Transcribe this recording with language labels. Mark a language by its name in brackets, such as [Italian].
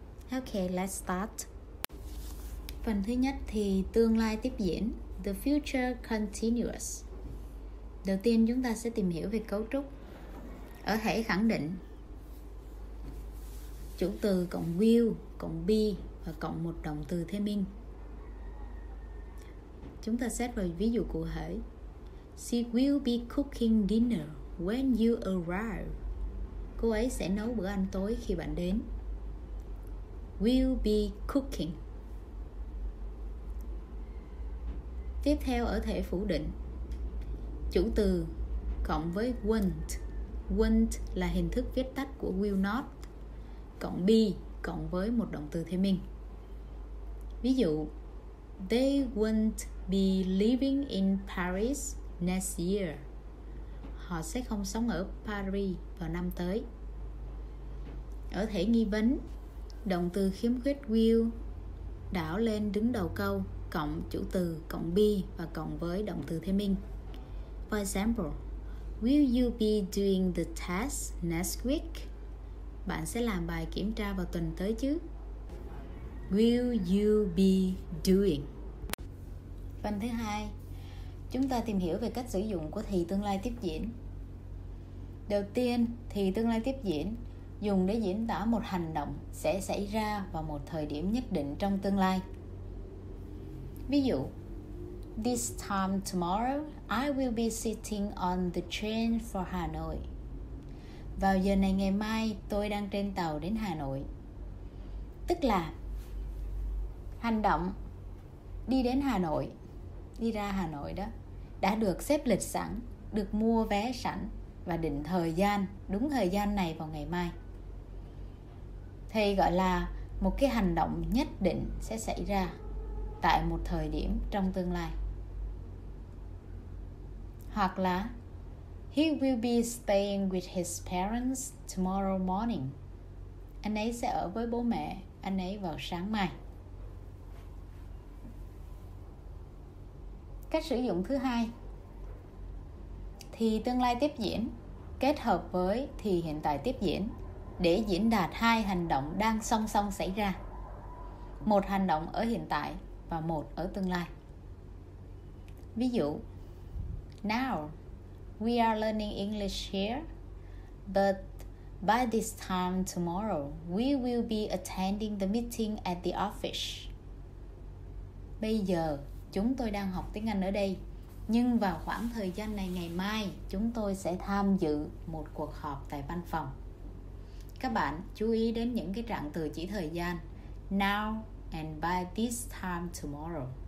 [English] Okay, let's start. [Vietnamese] Phần thứ nhất, thì tương lai tiếp diễn, [English] the future continuous. [Vietnamese] Đầu tiên chúng ta sẽ tìm hiểu về cấu trúc. Ở thể khẳng định, chủ từ cộng will cộng be và cộng một động từ thêm in. Chúng ta xét vào ví dụ cụ thể. [English] She will be cooking dinner when you arrive. [Vietnamese] Cô ấy sẽ nấu bữa ăn tối khi bạn đến. [English] Will be cooking. [Vietnamese] Tiếp theo ở thể phủ định, chủ từ cộng với won't. Won't là hình thức viết tắt của will not, cộng be cộng với một động từ thêm in. Ví dụ, [English] they won't be living in Paris next year. [Vietnamese] họ sẽ không sống ở Paris vào năm tới. Ở thể nghi vấn, động từ khiếm khuyết will đảo lên đứng đầu câu, cộng chủ từ, cộng be và cộng với động từ thêm in. [English] For example, will you be doing the test next week? [Vietnamese] Bạn sẽ làm bài kiểm tra vào tuần tới chứ? [English] Will you be doing? [Vietnamese] Phần thứ hai, chúng ta tìm hiểu về cách sử dụng của thì tương lai tiếp diễn. Đầu tiên, thì tương lai tiếp diễn dùng để diễn tả một hành động sẽ xảy ra vào một thời điểm nhất định trong tương lai. Ví dụ, [English] this time tomorrow, I will be sitting on the train for Hanoi. [Vietnamese] Vào giờ này ngày mai, tôi đang trên tàu đến Hà Nội. Tức là, hành động đi đến Hà Nội, đi ra Hà Nội đó, đã được xếp lịch sẵn, được mua vé sẵn và định thời gian, đúng thời gian này vào ngày mai. Thì gọi là một cái hành động nhất định sẽ xảy ra tại một thời điểm trong tương lai. Hoặc là [English] he will be staying with his parents tomorrow morning. [Vietnamese] Anh ấy sẽ ở với bố mẹ anh ấy vào sáng mai. Cách sử dụng thứ hai, thì tương lai tiếp diễn kết hợp với thì hiện tại tiếp diễn để diễn đạt hai hành động đang song song xảy ra. Một hành động ở hiện tại và một ở tương lai. Ví dụ, [English] now we are learning English here, but by this time tomorrow, we will be attending the meeting at the office. [Vietnamese] Bây giờ, chúng tôi đang học tiếng Anh ở đây, nhưng vào khoảng thời gian này ngày mai, chúng tôi sẽ tham dự một cuộc họp tại văn phòng. Các bạn chú ý đến những cái trạng từ chỉ thời gian [English] now and by this time tomorrow.